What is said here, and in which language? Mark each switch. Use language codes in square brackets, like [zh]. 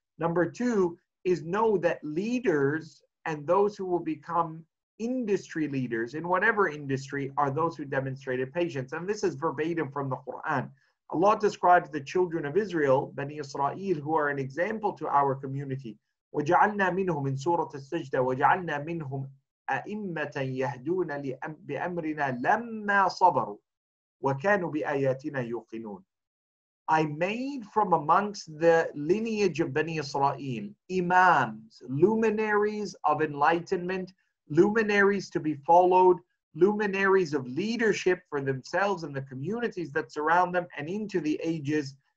[en] Number two is know that leaders and those who will become industry leaders in whatever industry are those who demonstrated patience. And this is verbatim from the Quran. Allah describes the children of Israel, Bani Israel, who are an example to our community. [ar] وجعلنا منهم من سورة السجدة وجعلنا منهم أئمة يهدون بأمرنا لما صبروا وكانوا بآياتنا يوقنون. [en] I made from amongst the lineage of Bani Israel imams, luminaries of enlightenment, luminaries to be followed, luminaries of leadership for themselves and the communities that surround them and into the ages.